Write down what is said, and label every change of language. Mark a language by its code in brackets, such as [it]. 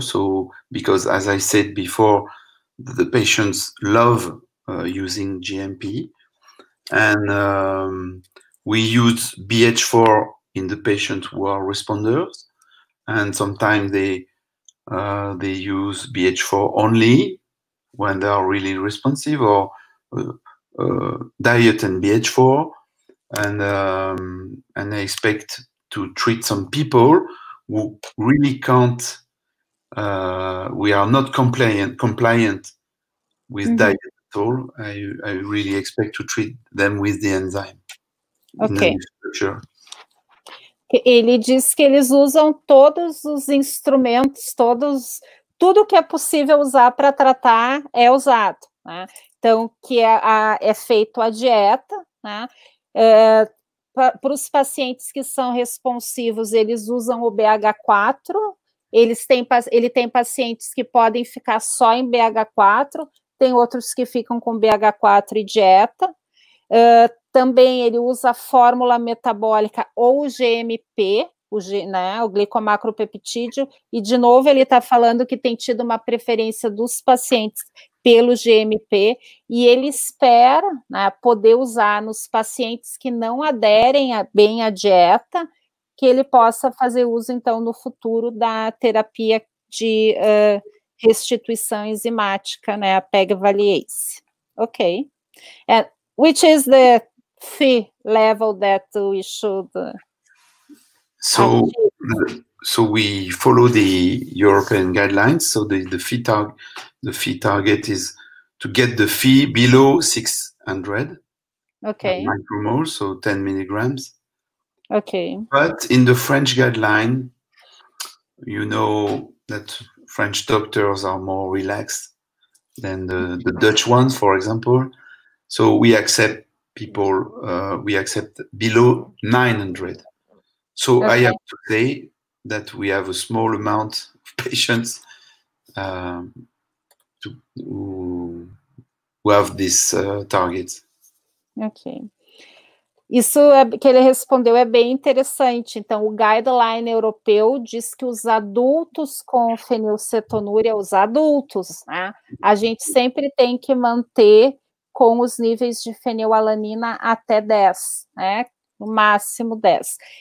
[en] So because, as I said before, the patients love using GMP, and we use BH4 in the patients who are responders, and sometimes they use BH4 only when they are really responsive, or diet and BH4, and I expect to treat some people who really can't. We are not compliant with diet. So I really expect to treat them with the enzyme. Okay. Sure. [pt] Ele diz que eles usam todos os instrumentos, tudo que é possível usar para tratar é usado, né? Então, que é feito a dieta, né? Para os pacientes que são responsivos, eles usam o BH4. Ele tem pacientes que podem ficar só em BH4. Tem outros que ficam com BH4 e dieta. Também ele usa a fórmula metabólica ou o GMP, né, o glicomacropeptídeo. E, de novo, ele está falando que tem tido uma preferência dos pacientes pelo GMP. E ele espera, né, poder usar nos pacientes que não aderem bem à dieta, que ele possa fazer uso, então, no futuro da terapia de... restituição enzimática, né, a pegvaliase. Ok. [en] And which is the fee level that we should... So we follow the European guidelines, so the fee target is to get the fee below 600. Okay. Micromoles, so 10 milligrams. Okay. But in the French guideline, you know that French doctors are more relaxed than the Dutch ones, for example. So we accept people, we accept below 900. So okay. I have to say that we have a small amount of patients who have this target. [pt] Okay. Isso que ele respondeu é bem interessante. Então, o guideline europeu diz que os adultos com fenilcetonúria, os adultos, né, a gente sempre tem que manter com os níveis de fenilalanina até 10, né, no máximo 10.